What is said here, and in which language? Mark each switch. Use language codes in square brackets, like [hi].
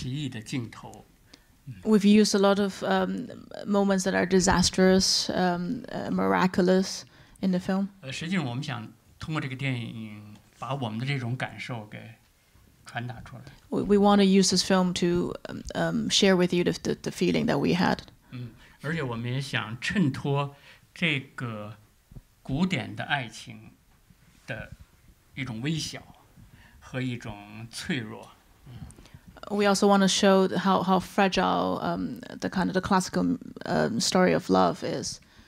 [zh] 所以我们这电影里其实用了不少的这些天灾人祸，或者说奇异的镜头。We've [en] used a lot of moments that are disastrous, miraculous in the film. [zh] 实际上我们想通过这个电影把我们的这种感受给 传达出来。 [en] We want to use this film to share with you the feeling that we had. [zh] 而且我们也想衬托这个古典的爱情的一种微小和一种脆弱。 [en] We also want to show how fragile the kind of the classical story of love is.